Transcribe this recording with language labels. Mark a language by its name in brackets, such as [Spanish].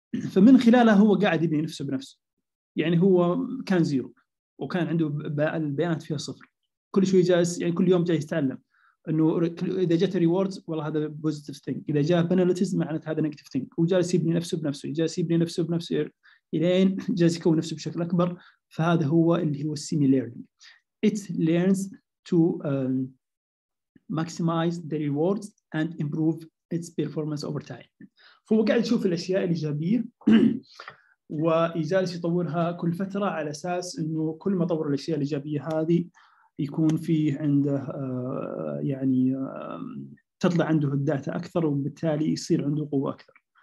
[Arabic] فمن خلالها هو قاعد يبني نفسه بنفسه. يعني هو كان زيرو وكان عنده البيانات فيها صفر، كل شوي جالس يعني كل يوم جاي يتعلم إنه إذا جت ريوردز والله هذا بوزيتيف ثينج، إذا جاء بنالتيز معناته هذا نيجاتيف ثينج، وجالس يبني نفسه بنفسه، جالس يبني نفسه بنفسه إلين جالس يكون نفسه بشكل أكبر. فهذا هو اللي هو السيمي ليرنينج. [English] It learns to maximize the rewards and improve its performance over time. [Arabic] فهو قاعد يشوف الأشياء الإيجابية ويجالس يطورها كل فترة على أساس إنه كل ما طور الأشياء الإيجابية هذه يكون فيه عنده يعني تطلع عنده الداتا أكثر وبالتالي يصير عنده قوة أكثر.